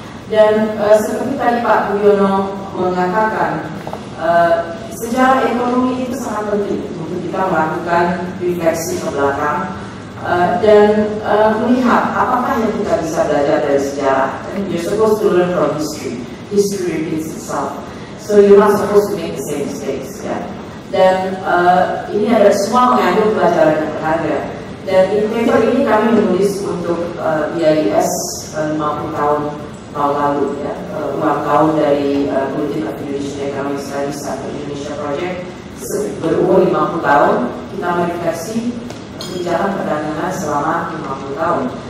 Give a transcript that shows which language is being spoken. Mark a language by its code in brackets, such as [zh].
[id] Dan seperti tadi Pak Budiono mengatakan, sejarah ekonomi itu sangat penting untuk kita melakukan refleksi ke belakang dan melihat apakah yang kita bisa belajar dari sejarah. [en] And you're supposed to learn from history. History repeats itself. So you're not supposed to make the same mistakes. [id] Yeah? Dan ini ada semua mengandung pelajaran yang berharga. Dan in paper ini kami menulis untuk BIS 50 tahun lalu. Ya? 50 tahun dari Bulletin of Indonesian Economic Studies atau Indonesia Project. Berumur 50 tahun, kita merefleksi kebijakan perdagangan selama 50 tahun.